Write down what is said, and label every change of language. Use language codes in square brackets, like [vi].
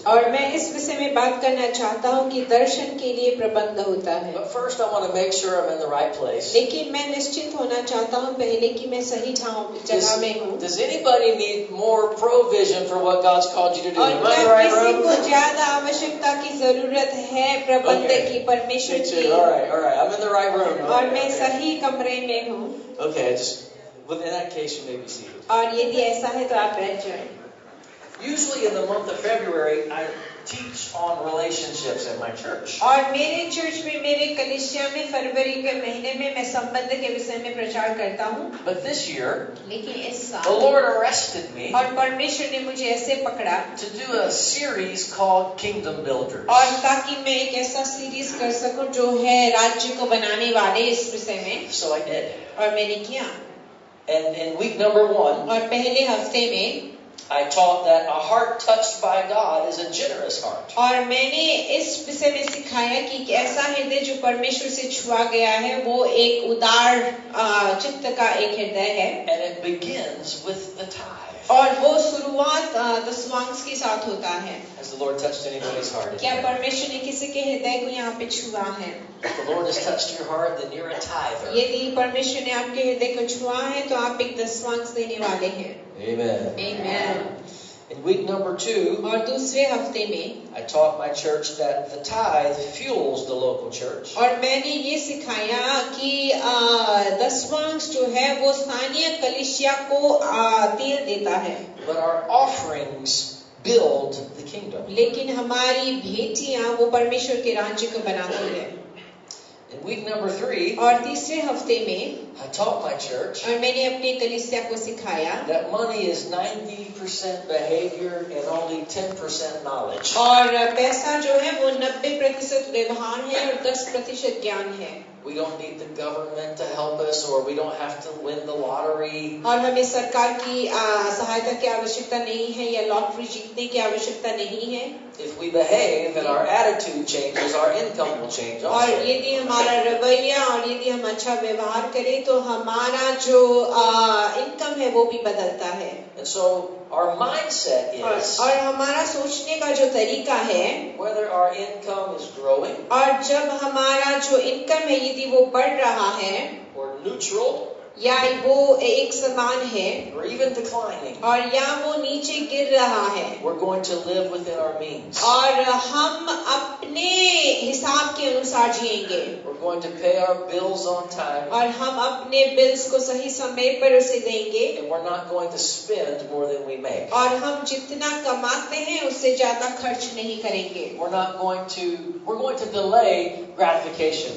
[hi] और मैं इस विषय में बात करना चाहता हूँ कि दर्शन के लिए प्रबंध होता है. [en] But first, I want to make sure I'm in the right place. [hi] लेकिन मैं निश्चित होना चाहता हूँ पहले कि मैं सही ठाउं जगह में हूँ. [en] Does anybody need more provision for what God's called you to do? [hi] और क्या किसी को ज्यादा आवश्यकता की जरूरत है प्रबंध की परमेश्वर की? [en] All right. I'm in the right room. [hi] और मैं सही कमरे में हूँ. [en] Okay. But in that case, you may be seated. [hi] और यदि ऐसा है तो आप बैठ जाएं. [en] Usually in the month of February, I teach on relationships in my church. [hi] और मेरे चर्च में मेरे कलीसिया में फरवरी के महीने में मैं संबंध के विषय में प्रचार करता हूँ. [en] But this year, [hi] लेकिन इस साल, [en] the Lord arrested me. [hi] और परमेश्वर ने मुझे ऐसे पकड़ा. [en] To do a series called Kingdom Builders. [hi] और ताकि मैं एक ऐसा सीरीज कर सकूँ जो है राज्य को बनाने वाले इस विषय में. [en] So I did. [hi] और मैंने किया. [en] And in week number one, [hi] और पहले हफ्ते में, [en] I taught that a heart touched by God is a generous heart. [hi] और मैंने इस विषय में सिखाया कि ऐसा हृदय जो परमेश्वर से छुआ गया है, वो एक उदार चित्त का एक हृदय है. [en] And it begins with the tithe. [hi] और वो शुरुआत दसवांश के साथ होता है. [en] Has the Lord touched anybody's heart? [hi] क्या परमेश्वर ने किसी के हृदय को यहाँ पे छुआ है? [en] If the Lord has touched your heart, then you're a tither. [hi] यदि परमेश्वर ने आपके हृदय को छुआ है, तो आप एक दसवांश देने वाले हैं. Amen. Amen. [en] In week number two, [hi] और दूसरे हफ्ते में, [en] I taught my church that the tithe fuels the local church. [hi] और मैंने ये सिखाया कि दसवांश जो है, वो स्थानीय कलीसिया को तेल देता है. [en] But our offerings build the kingdom. [hi] लेकिन हमारी भेंटियाँ वो परमेश्वर के राज्य को बनाती हैं. [en] Week number three, [hi] और तीसरे हफ्ते में [en] I taught my church, [hi] और मैंने अपने कलीसिया को सिखाया [en] that money is 90% behavior and only 10% knowledge. [hi] और पैसा जो है वो 90% व्यवहार है और 10% ज्ञान है. [en] We don't need the government to help us or we don't have to win the lottery. [hi] और हमें सरकार की सहायता की आवश्यकता नहीं है या लॉटरी जीतने की आवश्यकता नहीं है. [en] If we behave and our attitude changes, our income will change also. [hi] और यदि हमारा रवैया और यदि हम अच्छा व्यवहार करें तो हमारा जो इनकम है वो भी बदलता है. [en] And so our mindset is, [hi] और हमारा सोचने का जो तरीका है [en] whether our income is growing, [hi] और जब हमारा जो इनकम है यदि वो बढ़ रहा है [en] or neutral, [hi] या वो एक समान है और या वो नीचे गिर रहा है और हम अपने हिसाब के अनुसार जिएंगे और हम अपने बिल्स को सही समय पर उसे देंगे और हम जितना कमाते हैं उससे ज्यादा खर्च नहीं करेंगे